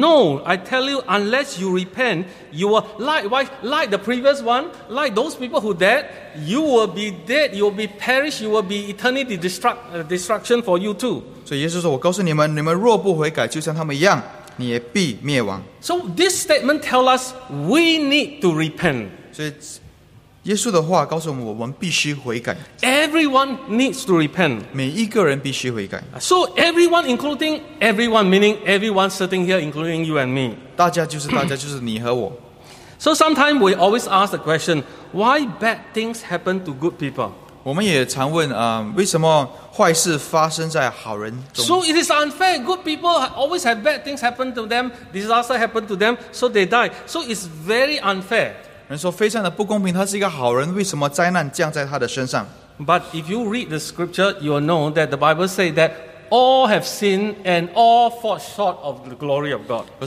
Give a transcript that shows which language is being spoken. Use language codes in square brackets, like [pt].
[en] No, I tell you, unless you repent, you will likewise, like the previous one, like those people who dead, you will be dead, you will be perished, you will be eternity destruction for you too. [zh] 所以耶稣说，我告诉你们，你们若不悔改，就像他们一样。 [en] So this statement tells us we need to repent. [zh] 所以耶稣的话告诉我们，我们必须悔改。 [en] Everyone needs to repent. [zh] 每一个人必须悔改。 [en] So everyone, including everyone, meaning everyone sitting here, including you and me. [zh] 大家就是你和我。 [en] So sometimes we always ask the question, why bad things happen to good people? [zh] 我们也常问，为什么坏事发生在好人中？ [en] So it is unfair. Good people always have bad things happen to them. Disaster happen to them, so they die. So it's very unfair. [zh] 人说非常的不公平，他是一个好人，为什么灾难降在他的身上？ [en] But if you read the scripture, you will know that the Bible says that all have sinned and all fall short of the glory of God.